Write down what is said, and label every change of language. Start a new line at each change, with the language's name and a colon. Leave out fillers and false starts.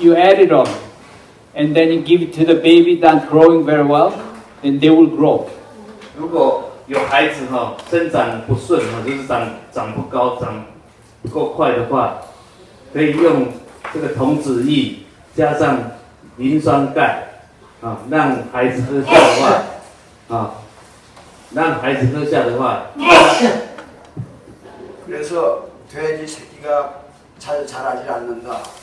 English: You add it on, and then you give it to the baby that's growing very well, then they will grow.
Chinese: 如果有孩子哈，生长不顺哈，就是长不高，长不够快的话，可以用这个童子液加上磷酸钙，啊，让孩子喝下的话，啊，让孩子喝下的话。
Korean: 그래서 돼지 새끼가 잘 자라지 않는다.